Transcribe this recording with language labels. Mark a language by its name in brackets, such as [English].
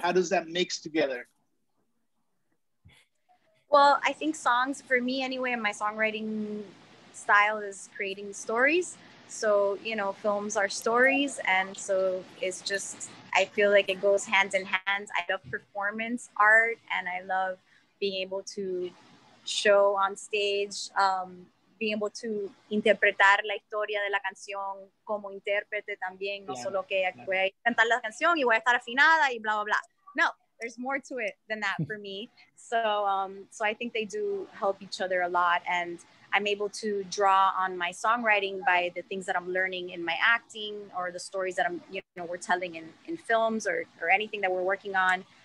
[English] How does that mix together? Well, I think songs, for me anyway, my songwriting style is creating stories. So, you know, films are stories. And so it's just, I feel like it goes hand in hand. I love performance art and I love being able to show on stage, being able to [Spanish] interpretar la historia de la canción como intérprete también, no solo que voy a cantar la canción y voy a estar afinada y bla, bla, bla. No. [English] There's more to it than that for me. So I think they do help each other a lot. And I'm able to draw on my songwriting by the things that I'm learning in my acting or the stories that I'm, you know, we're telling in films or anything that we're working on.